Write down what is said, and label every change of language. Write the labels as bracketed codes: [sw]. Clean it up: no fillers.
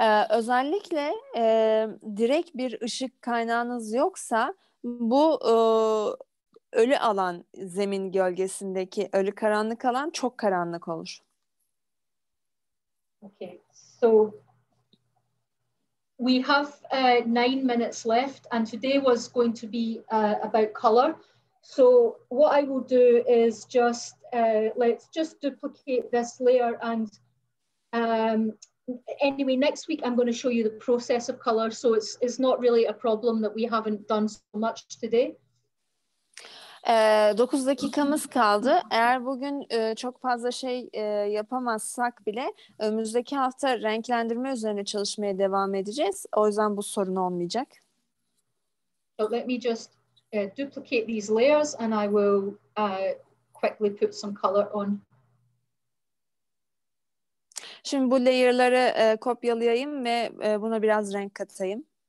[tr] Özellikle direkt bir ışık kaynağınız yoksa bu ölü alan zemin gölgesindeki ölü karanlık alan çok karanlık olur. [en] Okay, so we have 9 minutes left and today was going to be about color. So what I will do is just let's just duplicate this layer and anyway, next week I'm going to show you the process of color, so it's not really a problem that we haven't done so much today. [tr] 9 dakikamız kaldı. Eğer bugün çok fazla şey yapamazsak bile önümüzdeki hafta renklendirme üzerine çalışmaya devam edeceğiz. O yüzden bu sorun olmayacak. [en] So let me just duplicate these layers and I will quickly put some color on. [tr] Şimdi bu layer'ları kopyalayayım ve buna biraz renk katayım.